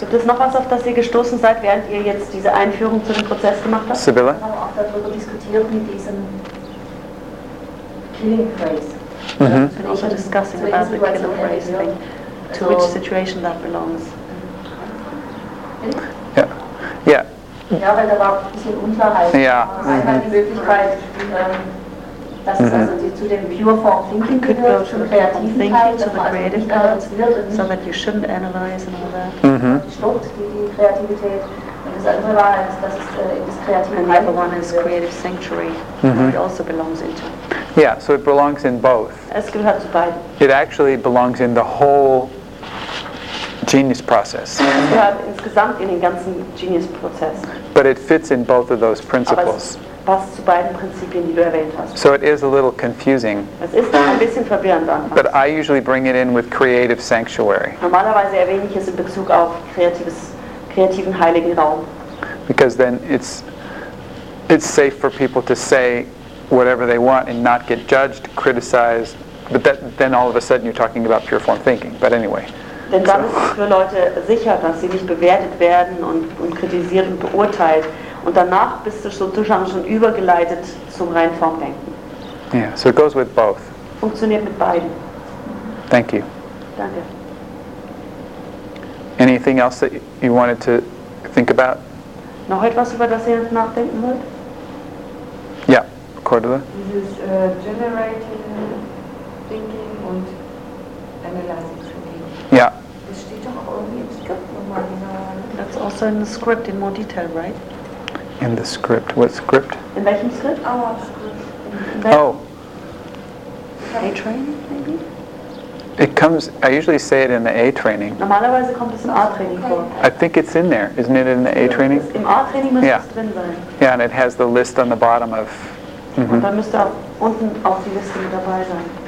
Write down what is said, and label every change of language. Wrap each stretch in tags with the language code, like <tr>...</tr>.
<de>Gibt es noch was, auf das ihr gestoßen seid, während ihr jetzt diese Einführung zu dem Prozess gemacht habt? Sibylla? Ich habe auch darüber diskutiert mit diesem killing phrase. Mm-hmm.</de> <en>I've been also discussing about the killing phrase thing. To which situation that belongs. Yeah.</en> <de>Yeah. Weil da war ein bisschen Unklarheit.</de> <en>Yeah. Mm-hmm.</en> <de>Die Möglichkeit, dass es also zu dem pure form thinking gehört, zum kreativen Teil,</de> <en>to the creative part, so that you shouldn't analyze and all that. Mm-hmm.</en> <de>Die Kreativität. Und das andere war, dass es in das kreative</de> <en>sanctuary, mm-hmm. It also belongs into. Yeah, so it belongs in both.</en> <de>Es gehört zu beiden.</de> <en>It actually belongs in the whole genius process.</en> <de>Es gehört insgesamt in den ganzen genius Prozess.</de> <en>But it fits in both of those principles.</en> <de>Aber es passt zu beiden Prinzipien, die du erwähnt hast.</de> <en>So it is a little confusing.</en> <de>Es ist ein bisschen verwirrend anfangs.</de> <en>But I usually bring it in with creative sanctuary.</en> <de>Normalerweise erwähne ich es in Bezug auf kreativen heiligen Raum.</de> <en>Because then it's safe for people to say whatever they want and not get judged, criticized, but then all of a sudden you're talking about pure form thinking. But anyway.</en> <de>Denn dann ist es für Leute sicher, dass sie nicht bewertet werden und kritisiert und beurteilt. Und danach bist du sozusagen schon übergeleitet zum reinen Formdenken.</de> <en>Yeah, so it goes with both.</en> <de>Funktioniert mit beiden.</de> <en>Thank you.</en> <de>Danke.</de> <en>anything else that you wanted to think about?</en> <de>Noch etwas, über das ihr nachdenken wollt? Ja, Cordula. Dieses generating thinking und analyzing thinking. Ja. Das steht doch auch irgendwie im Skript nochmal.</de> <en>That's also in the script in more detail, right? In the script. What script?</en> <de>In welchem Skript?</de> <en>Our script. Oh. A training, maybe? It comes, I usually say it in the A training.</en> <de>Normalerweise kommt es im A training vor.</de> <en>I think it's in there. Isn't it in the A training?</en> <de>Im A training muss es drin sein.</de> <en>Yeah, and it has the list on the bottom of. Mm-hmm.</en> <de>Und dann müsste auch unten auf die Liste mit dabei sein.</de>